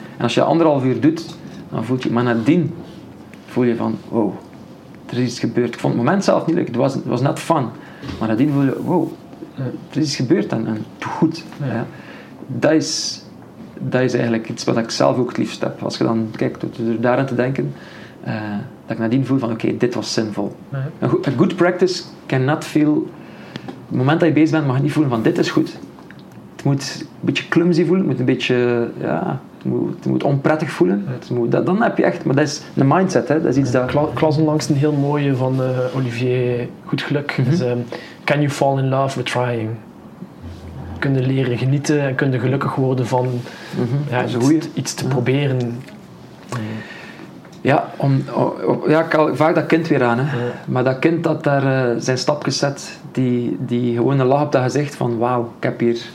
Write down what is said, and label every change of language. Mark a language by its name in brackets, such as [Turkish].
[Dutch] En als je anderhalf uur doet, dan voel je... Maar nadien voel je van, wow. Er is iets gebeurd. Ik vond het moment zelf niet leuk. Het was net fun. Maar nadien voelde je, wow, er is iets gebeurd en goed. Ja. Ja. Dat is eigenlijk iets wat ik zelf ook het liefst heb. Als je dan kijkt, door daaraan te denken, dat ik nadien voel van, oké, dit was zinvol. Ja. [English] A good practice cannot feel... [Dutch] Het moment dat je bezig bent, mag je niet voelen van, dit is goed. Het moet een beetje clumsy voelen. Het moet een beetje... Het moet onprettig voelen. Ja. Dan heb je echt... Maar dat is de mindset, hè. Dat is iets dat... Ik las onlangs een heel mooie van Olivier Goedgeluk. Mm-hmm. [English] Dus, can you fall in love with trying? [Dutch] Kun je leren genieten en kun je gelukkig worden van iets te proberen? Ja, ik haal vaak dat kind weer aan. Hè. Ja. Maar dat kind dat daar zijn stapjes zet, die gewoon een lach op dat gezicht van wauw, ik heb hier...